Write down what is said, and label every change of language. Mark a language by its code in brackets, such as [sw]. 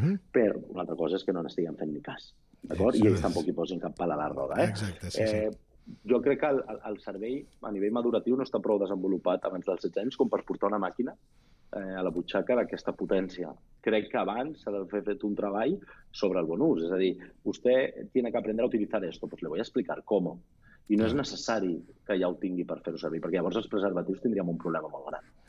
[ca] Però una altra cosa és que no n'estiguin fent ni cas. D'acord? I ells tampoc hi posin cap pal a la roda. Exacte, sí, sí. Jo crec que el cervell a nivell madurativo no està prou desenvolupat abans dels 16 anys com per portar una màquina a la butxaca d'aquesta potència. Crec que abans s'ha d'haver fet un treball sobre el bon ús. És a dir, vostè [es] tiene que aprendre a utilizar esto, pues le voy a explicar cómo. [ca] I no és necessari que ja ho tingui per fer-ho servir, perquè llavors els preservatius tindríem un problema molt gran.